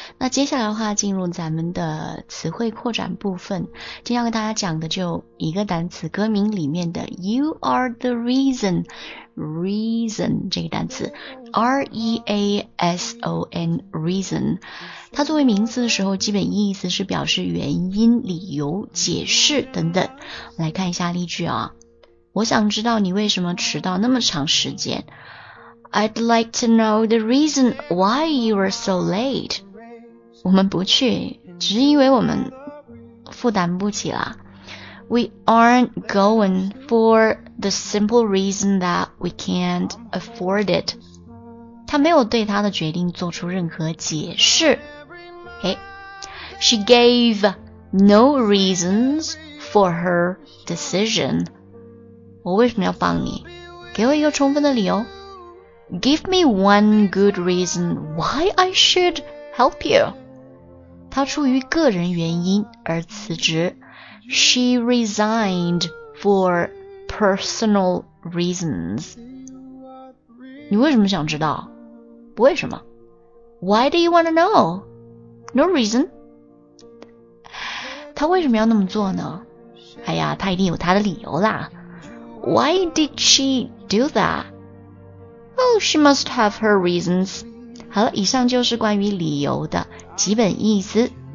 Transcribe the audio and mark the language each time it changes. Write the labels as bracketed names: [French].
[Chinese] 那接下来的话进入咱们的词汇扩展部分，今天要跟大家讲的就一个单词歌名里面的 You are the reason， reason 这个单词 R-E-A-S-O-N reason， 它作为名词的时候基本意思是表示原因、理由、解释等等。来看一下例句啊，我想知道你为什么迟到那么长时间。 [English] I'd like to know the reason why you were so late. [Chinese] 我们不去只是因为我们负担不起啦。 [English] We aren't going for the simple reason that we can't afford it. [Chinese] 他没有对他的决定做出任何解释。 [English] Hey. She gave no reasons for her decision. [Chinese] 我为什么要帮你？给我一个充分的理由。 [English] Give me one good reason why I should help you. [Chinese] 他出于个人原因而辞职。 [English] She resigned for personal reasons. [Chinese] 你为什么想知道？不为什么。 [English] Why do you want to know? No reason. [Chinese] 他为什么要那么做呢？哎呀，他一定有他的理由啦。 [English] Why did she do that? Oh, she must have her reasons. [Chinese] 好了，以上就是关于理由的基本意思。